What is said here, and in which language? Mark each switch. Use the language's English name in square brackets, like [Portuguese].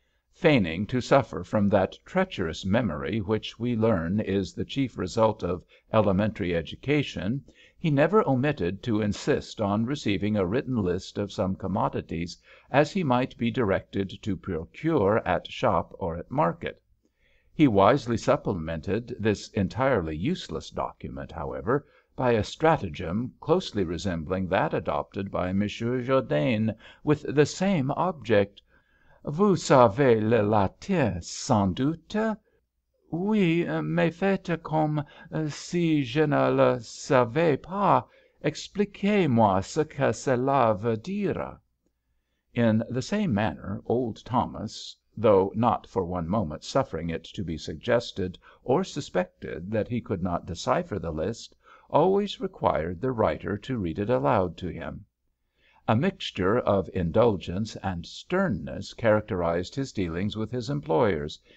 [English] Feigning to suffer from that treacherous memory which we learn is the chief result of elementary education, he never omitted to insist on receiving a written list of some commodities, as he might be directed to procure at shop or at market. He wisely supplemented this entirely useless document, however, by a stratagem closely resembling that adopted by Monsieur Jourdain with the same object. [French] Vous savez le latin, sans doute? Oui, mais faites comme si je ne le savais pas. Expliquez-moi ce que cela veut dire. [English] In the same manner, old Thomas, though not for one moment suffering it to be suggested or suspected that he could not decipher the list, always required the writer to read it aloud to him. A mixture of indulgence and sternness characterized his dealings with his employers.